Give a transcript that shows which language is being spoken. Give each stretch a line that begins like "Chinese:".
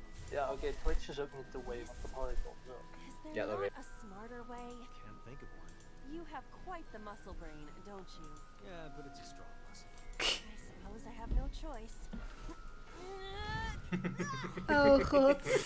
Dutch: Ja, oké, okay, Twitch is ook niet de way, want dan hoor ik op. Ja, dat weet ik. Is er niet een way? Ik kan niet van een. Je hebt
English: quite the muscle brain, don't you?
Dutch: Ja, maar het is een
English: strong muscle. I suppose I have no choice. Oh god.